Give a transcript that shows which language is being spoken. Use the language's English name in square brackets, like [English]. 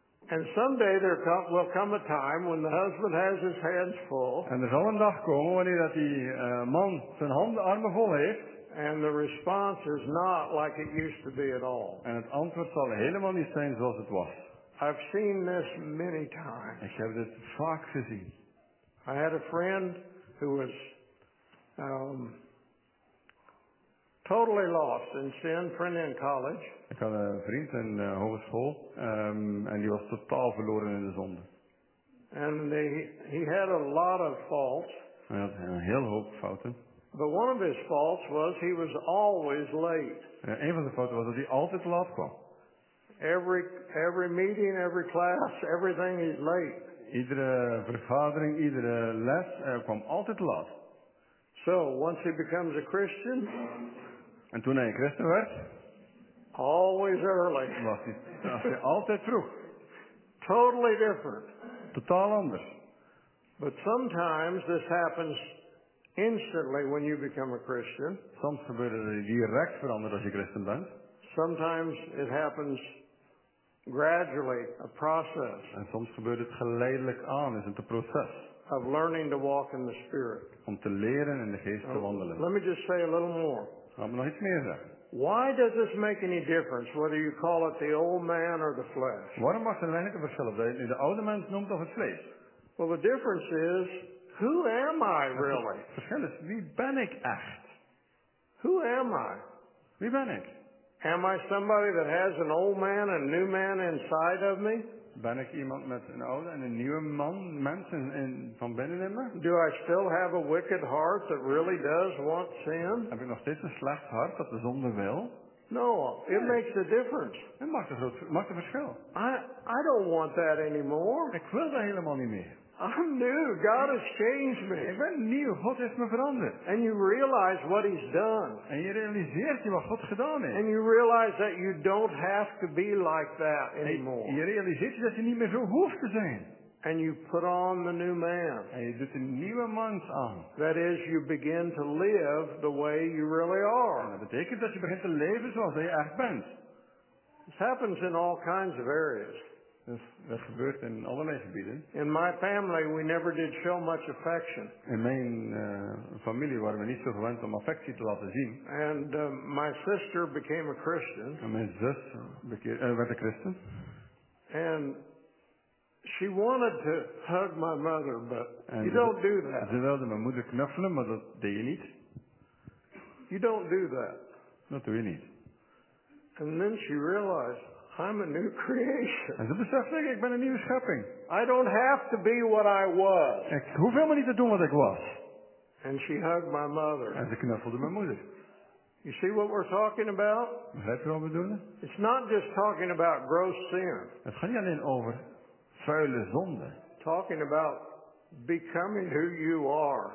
[English] And someday there will come a time when the husband has his hands full. [Dutch] En er zal een dag komen wanneer dat die man zijn handen armen vol heeft. [English] And the response is not like it used to be at all. [Dutch] En het antwoord zal helemaal niet zijn zoals het was. [English] I've seen this many times. [Dutch] Ik heb dit vaak gezien. [English] I had a friend who was totally lost in sin, friend in college. [Dutch] Ik had een vriend in hogeschool en die was totaal verloren in de zonde. [English] And he had a lot of faults. [Dutch] Hij had een heel hoop fouten. [English] But one of his faults was he was always late. [Dutch] Ja, een van de fouten was dat hij altijd laat kwam. [English] Every meeting, every class, everything is late. [Dutch] Iedere vergadering, iedere les, kwam altijd laat. [English] So once he becomes a Christian. [Dutch] En toen hij een Christen werd. [English] Always early. [Dutch] Was hij altijd vroeg. [English] Totally different. [Dutch] Totaal anders. [English] But sometimes this happens instantly when you become a Christian. [Dutch] Soms gebeurt het direct veranderd als je Christen bent. [English] Sometimes it happens gradually, a process. [Dutch] En soms gebeurt het geleidelijk aan, is het een proces. [English] Of learning to walk in the Spirit. [Dutch] Om te leren in de Geest te wandelen. [English] Let me just say a little more. [Dutch] Laat me nog iets meer zeggen. [English] Why does this make any difference whether you call it the old man or the flesh? [Dutch] Waarom maakt het eigenlijk een verschil of dat je de oude mens noemt of het vlees? [English] Well, the difference is, who am I really? [Dutch] Het verschil is, wie ben ik echt? [English] Who am I? [Dutch] Wie ben ik? [English] Am I somebody that has an old man and new man inside of me? [Dutch] Ben ik iemand met een oude en een nieuwe man, mens van binnen in me? [English] Do I still have a wicked heart that really does want sin? [Dutch] Heb ik nog steeds een slecht hart dat de zonde wil? [English] No, it makes a difference. [Dutch] Het maakt een verschil. [English] I don't want that anymore. [Dutch] Ik wil dat helemaal niet meer. [English] I'm new. God has changed me. [Dutch] Ik ben nieuw. God heeft me veranderd. [English] And you realize what He's done. [Dutch] En je realiseert je wat God gedaan heeft. [English] And you realize that you don't have to be like that anymore. [Dutch] En je realiseert je dat je niet meer zo hoeft te zijn. [English] And you put on the new man. [Dutch] En je doet een nieuwe mens aan. [English] That is, you begin to live the way you really are. [Dutch] En dat betekent dat je begint te leven zoals je echt bent. [English] This happens in all kinds of areas. [Dutch] Dat gebeurt in allerlei gebieden. [English] In my family we never did show much affection. [Dutch] In mijn familie waren we niet zo gewend om affectie te laten zien. [English] And my sister became a Christian. [Dutch] En mijn zus werd een christen. [English] And she wanted to hug my mother, but you don't do that. [Dutch] Ze wilde mijn moeder knuffelen, maar dat deed je niet. [English] You don't do that. [Dutch] Dat doe je niet. [English] And then she realized, I'm a new creation. [Dutch] En ze besefte, ik ben een nieuwe schepping. [English] I don't have to be what I was. [Dutch] Ik hoef helemaal niet te doen wat ik was. [English] And she hugged my mother. [Dutch] En ze knuffelde mijn moeder. [English] You see what we're talking about? [Dutch] Weet je wat we doen? [English] It's not just talking about gross sin. [Dutch] Het gaat niet alleen over vuile zonde. [English] Talking about becoming who you are.